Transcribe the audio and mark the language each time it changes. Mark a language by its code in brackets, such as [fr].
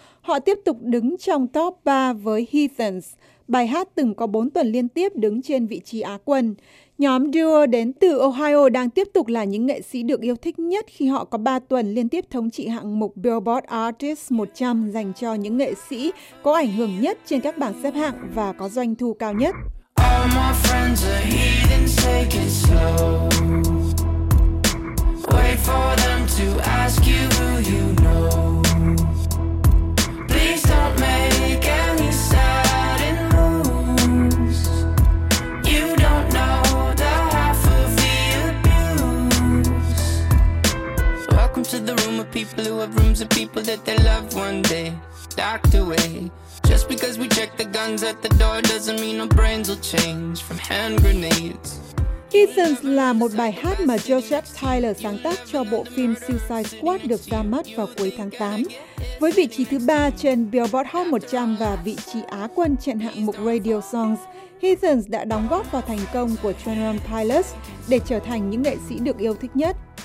[vi] Họ tiếp tục đứng trong top 3 với Heathens, bài hát từng có 4 tuần liên tiếp đứng trên vị trí Á quân. Nhóm duo đến từ Ohio đang tiếp tục là những nghệ sĩ được yêu thích nhất khi họ có 3 tuần liên tiếp thống trị hạng mục Billboard Artist 100 dành cho những nghệ sĩ có ảnh hưởng nhất trên các bảng xếp hạng và có doanh thu cao nhất. [en] All my friends are heathens, take it slow. Wait for them to ask you who you know. Please don't make any sudden moves. You don't know the half of the abuse. Welcome to the room of people who have rooms of people that they love one day docked away. Just because we check the guns at the door doesn't mean our brains will change from hand grenades. [vi] Heathens là một bài hát mà Joseph Tyler sáng tác cho bộ phim Suicide Squad được ra mắt vào cuối tháng 8. Với vị trí thứ 3 trên Billboard Hot 100 và vị trí Á quân trên hạng mục Radio Songs, Heathens đã đóng góp vào thành công của 21 Pilots để trở thành những nghệ sĩ được yêu thích nhất.